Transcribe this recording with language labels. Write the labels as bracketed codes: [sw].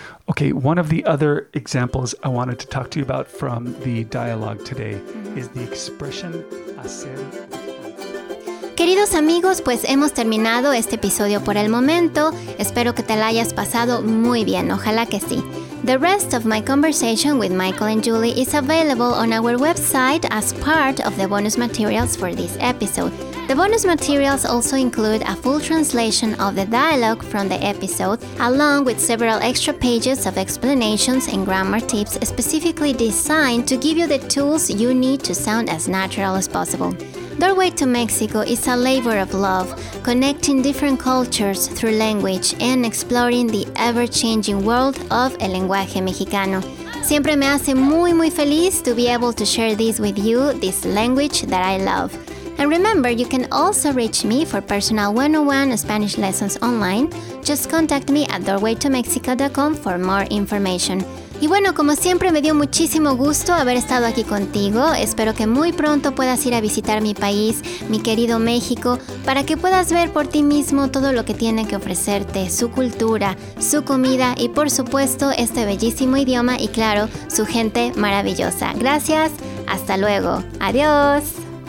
[en] Okay, one of the other examples I wanted to talk to you about from the dialogue today is the expression hacer. [es] Queridos amigos, pues hemos terminado este episodio por el momento. Espero que te la hayas pasado muy bien, ojalá que sí. [en] The rest of my conversation with Michael and Julie is available on our website as part of the bonus materials for this episode. The bonus materials also include a full translation of the dialogue from the episode, along with several extra pages of explanations and grammar tips specifically designed to give you the tools you need to sound as natural as possible. Doorway to Mexico is a labor of love, connecting different cultures through language and exploring the ever-changing world of [es] el lenguaje mexicano. Siempre me hace muy, muy feliz [en] to be able to share this with you, this language that I love. And remember, you can also reach me for personal 101 Spanish lessons online. Just contact me at doorwaytomexico.com for more information. [es] Y bueno, como siempre, me dio muchísimo gusto haber estado aquí contigo. Espero que muy pronto puedas ir a visitar mi país, mi querido México, para que puedas ver por ti mismo todo lo que tiene que ofrecerte, su cultura, su comida y, por supuesto, este bellísimo idioma y, claro, su gente maravillosa. Gracias, hasta luego. Adiós.